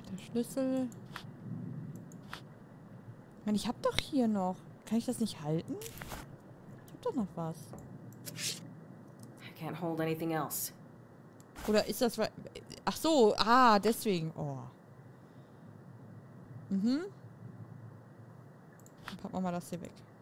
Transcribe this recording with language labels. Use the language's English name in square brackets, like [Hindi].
[German] Schlüssel. Ich meine, ich hab doch hier noch. Kann ich das nicht halten? Ich hab doch noch was. [English] I can't hold anything else. [German] Oder ist das... Ach so, deswegen. Oh. Mhm. Dann packen wir mal das hier weg.